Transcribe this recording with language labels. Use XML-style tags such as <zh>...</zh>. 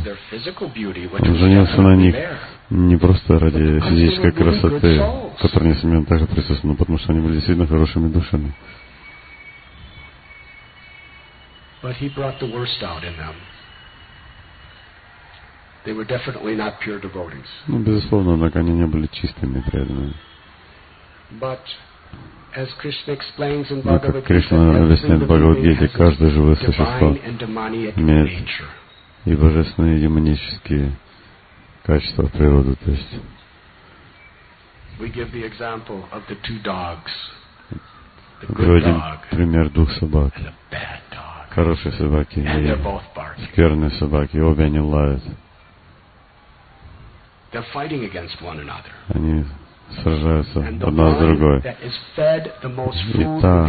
<ru>Он женился на них не просто ради физической красоты, которая, несомненно, также присутствует, но потому что они были действительно хорошими душами.</ru> <en>But he brought the worst out in them. They were definitely not pure devotees.</en> <ru>Ну, безусловно, однако они не были чистыми преданными.</ru> <en>But as Krishna explains in</en> <ru>Bhagavad Gita, каждое живое существо имеет и божественные, и демонические качества природы. То есть</ru> <en>we give the example of the two dogs.</en> <ru>Приводим пример двух собак. Хорошие собаки</ru> <en>and</en> <ru>и скверные собаки, обе они лают.</ru> <en>They're fighting against one another.</en> <ru>Они сражаются одна с другой.</ru> <en>That is fed the most food</en>